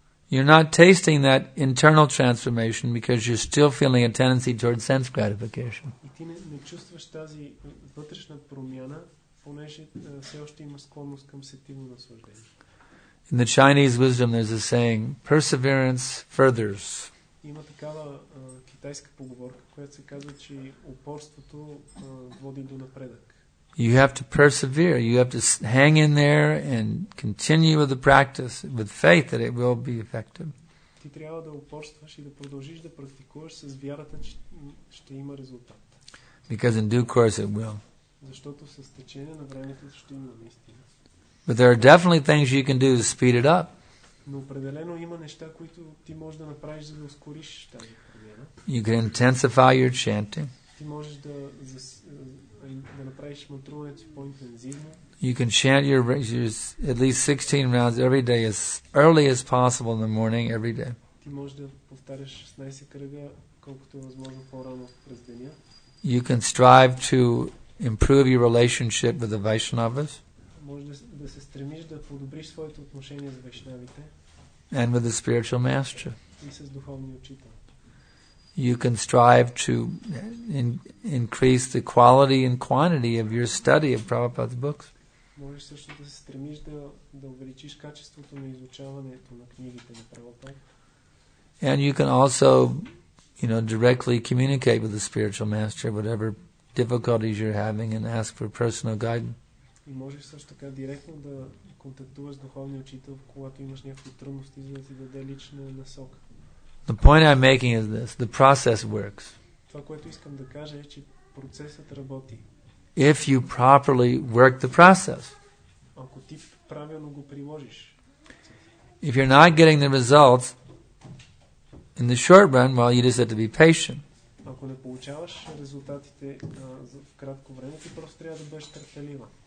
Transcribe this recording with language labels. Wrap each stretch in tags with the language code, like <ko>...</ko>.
<en>You're not tasting that internal transformation because you're still feeling a tendency towards sense gratification. In the Chinese wisdom, there's a saying, perseverance furthers.</en> <bg>Има такава китайска поговорка, която се казва, че упорството води до напредък.</bg> <en>You have to persevere. You have to hang in there and continue with the practice with faith that it will be effective.</en> <bg>Ти трябва да упорстваш и да продължиш да практикуваш с вярата, че ще има резултат.</bg> <en>Because in due course it will.</en> <bg>Защото с течение на времето ще има наистина.</bg> <en>But there are definitely things you can do to speed it up.</en> <bg>Но определено има неща, които ти можеш да направиш, за да ускориш тази промяна.</bg> <en>You can intensify your chanting.</en> <bg>Ти можеш да направиш мантруването по-интензивно.</bg> <en>You can chant your at least 16 rounds every day as early as possible in the morning every day.</en> <bg>Ти можеш да повтаряш 16 кръга колкото е възможно по-рано през деня.</bg> <en>You can strive to improve your relationship with the Vaishnavas.</en> <bg>Да се стремиш да подобриш своето отношение с вайшнавите.</bg> <en>And with the spiritual master.</en> <bg>И с духовния учител.</bg> <en>You can strive to increase the quality and quantity of your study of Prabhupada's books.</en> <bg>Можеш също да се стремиш да увеличиш качеството на изучаването на книгите на Прабхупада.</bg> <en>And you can also, you know, directly communicate with the spiritual master whatever difficulties you're having and ask for personal guidance.</en> <bg>И можеш също така директно да контактуваш с духовния учител, когато имаш някакви трудности, за да ти даде лична насока.</bg> <en>The point I'm making is this: the process works.</en> <bg>Това, което искам да кажа, е, че процесът работи.</bg> <en>If you properly work the process.</en> <bg>Ако ти правилно го приложиш.</bg> <en>If you're not getting the results in the short run, well, you just have to be patient.</en> <bg>Ако не получаваш резултатите в кратко време, ти просто трябва да бъдеш търпелива.</bg>